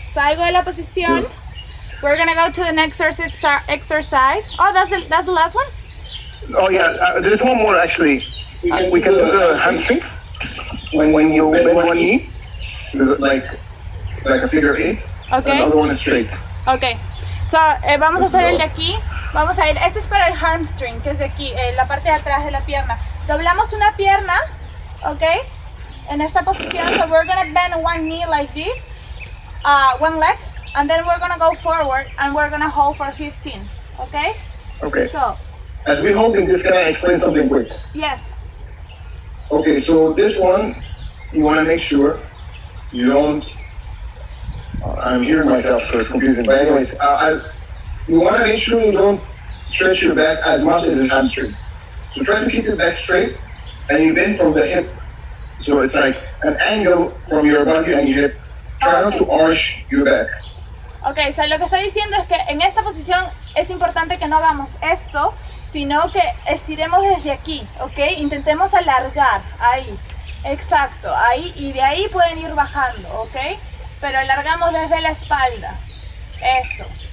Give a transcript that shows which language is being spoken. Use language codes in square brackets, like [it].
[es] Salgo de la posición. [en] We're gonna go to the next exercise. Oh, that's the last one? Oh yeah, there's one more actually. We can do the hamstring. When you bend one knee, like a figure eight, okay. And the other one is straight. [es] Okay, so vamos a hacer el de aquí. Vamos a ir, este es para el hamstring, que es de aquí, la parte de atrás de la pierna. Doblamos una pierna, okay, en esta posición. [en] So we're gonna bend one knee like this, one leg. And then we're gonna go forward and we're gonna hold for 15, okay? Okay. So, as we hold in this, can I explain something quick? Yes. Okay, so this one, you wanna make sure you don't, I'm hearing myself, so it's confusing. But anyways, you wanna make sure you don't stretch your back as much as an hamstring. So try to keep your back straight and you bend from the hip. So it's like an angle from your body and your hip. Try not to arch your back. [es] Ok, o sea, lo que está diciendo es que en esta posición es importante que no hagamos esto, sino que estiremos desde aquí, ok, intentemos alargar, ahí, exacto, ahí, y de ahí pueden ir bajando, ok, pero alargamos desde la espalda, eso,